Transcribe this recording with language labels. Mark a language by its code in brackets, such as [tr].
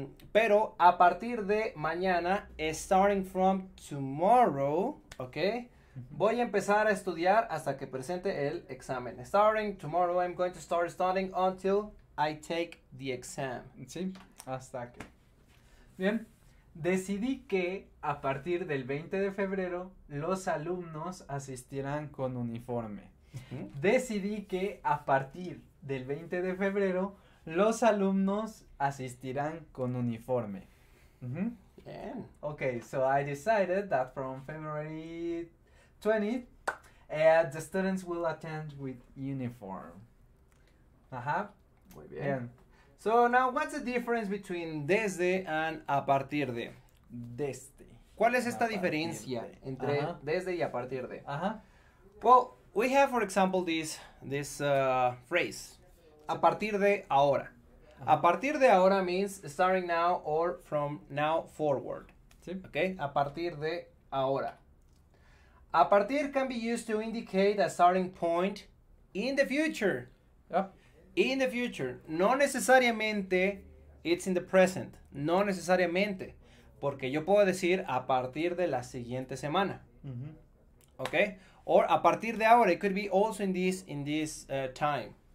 [es] Pero a partir de mañana, [en] starting from tomorrow, [es] ok, voy a empezar a estudiar hasta que presente el examen. [en] Starting tomorrow, I'm going to start studying until I take the exam. [es] Sí, hasta que. Bien, decidí que a partir del 20 de febrero, los alumnos asistirán con uniforme. Decidí que a partir del 20 de febrero, los alumnos asistirán con uniforme. [en] Yeah. Okay, so I decided that from February 20th, the students will attend with uniform. [es] Muy bien. [en] So now, what's the difference between desde and a partir de? [es] Desde. ¿Cuál es esta diferencia entre desde y a partir de? [en] Well, we have, for example, this phrase. [es] A partir de ahora. [en] Uh-huh. A partir de ahora means starting now or from now forward. [es] Sí. [en] Okay? [es] A partir de ahora. [en] A partir can be used to indicate a starting point in the future. Yeah. In the future. [es] No necesariamente [en] it's in the present. [es] No necesariamente. Porque yo puedo decir a partir de la siguiente semana. Uh-huh. [en] Okay? Or a partir de ahora. It could be also in this time.